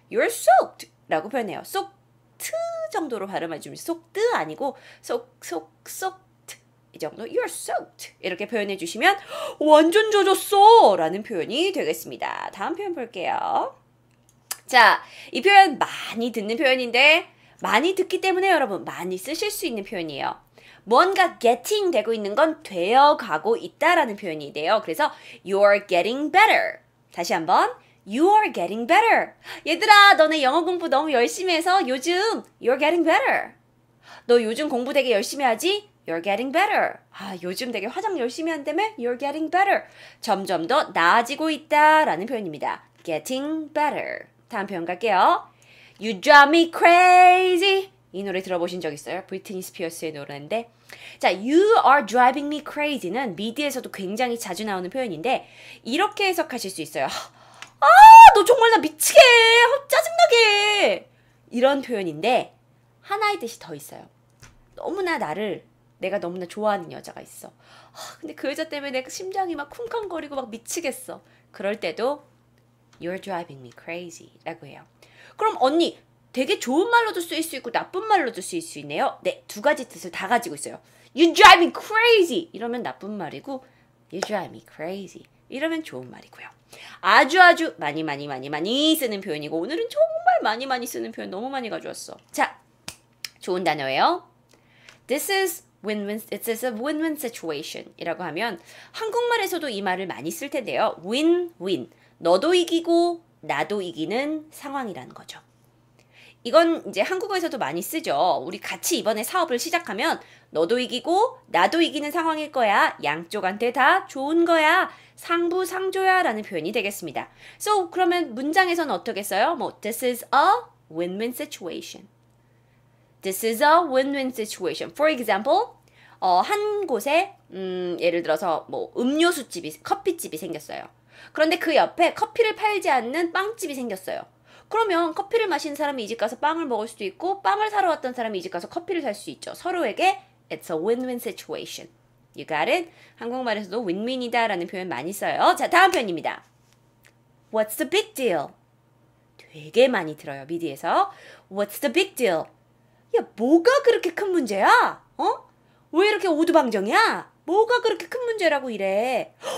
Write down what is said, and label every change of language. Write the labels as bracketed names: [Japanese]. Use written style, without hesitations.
[English] You're soaked [Korean] 라고 표현해요. soaked 정도로 발음해주면 soaked 아니고 soaked 이 정도 [English] You're soaked [Korean] 이렇게 표현해주시면 완전 젖었어 라는 표현이 되겠습니다. 다음 표현 볼게요. 자, 이 표현 많이 듣는 표현인데 많이 듣기 때문에 여러분 많이 쓰실 수 있는 표현이에요. 뭔가 [English] getting [Korean] 되고 있는 건 되어가고 있다라는 표현이에요. 그래서 [English] you're getting better. [Korean] 다시 한번 [English] you're getting better. [Korean] 얘들아, 너네 영어 공부 너무 열심히 해서 요즘 [English] you're getting better. [Korean] 너 요즘 공부 되게 열심히 하지? [English] You're getting better. [Korean] 아, 요즘 되게 화장 열심히 한다며? [English] You're getting better. [Korean] 점점 더 나아지고 있다라는 표현입니다. [English] Getting better. [Korean] 다음 표현 갈게요. [English] You drive me crazy. [Korean] 이 노래 들어보신 적 있어요? 브리트니 스피어스의 노래인데. 자, [English] You are driving me crazy [Korean] 는 미드에서도 굉장히 자주 나오는 표현인데 이렇게 해석하실 수 있어요. 아, 너 정말 나 미치게 해. 짜증나게 해. 이런 표현인데 하나의 뜻이 더 있어요. 너무나 나를 내가 너무나 좋아하는 여자가 있어. 아, 근데 그 여자 때문에 내 심장이 막 쿵쾅거리고 막 미치겠어. 그럴 때도 [English] You're driving me crazy [Korean] 라고 해요. 그럼 언니, 되게 좋은 말로도 쓰일 수 있고 나쁜 말로도 쓰일 수 있네요. 네, 두 가지 뜻을 다 가지고 있어요. [English] You drive me crazy [Korean] 이러면 나쁜 말이고 [English] You drive me crazy [Korean] 이러면 좋은 말이고요. 아주 아주 많이 많이 많이 많이 쓰는 표현이고 오늘은 정말 많이 많이 쓰는 표현 너무 많이 가져왔어. 자, 좋은 단어예요. [English] This is win-win, it is a win-win situation [Korean] 이라고 하면 한국말에서도 이 말을 많이 쓸 텐데요. Win-win, 너도 이기고 나도 이기는 상황이라는 거죠. 이건 이제 한국어에서도 많이 쓰죠. 우리 같이 이번에 사업을 시작하면 너도 이기고 나도 이기는 상황일 거야. 양쪽한테 다 좋은 거야. 상부상조야 라는 표현이 되겠습니다. [English] So [Korean] 그러면 문장에선 어떻게 써요? [English] 뭐 This is a win-win situation. This is a win-win situation. For example, [Korean] 한 곳에 예를 들어서 뭐 음료수집이, 커피집이 생겼어요. 그런데 그 옆에 커피를 팔지 않는 빵집이 생겼어요. 그러면 커피를 마시는 사람이 이 집 가서 빵을 먹을 수도 있고 빵을 사러 왔던 사람이 이 집 가서 커피를 살 수 있죠. 서로에게 [English] It's a win-win situation. You got it? [Korean] 한국말에서도 win-win이다 라는 표현 많이 써요. 자, 다음 표현입니다. [English] What's the big deal? [Korean] 되게 많이 들어요, 미디에서. [English] What's the big deal? [Korean] 야, 뭐가 그렇게 큰 문제야? 어? 왜 이렇게 오두방정이야? 뭐가 그렇게 큰 문제라고 이래?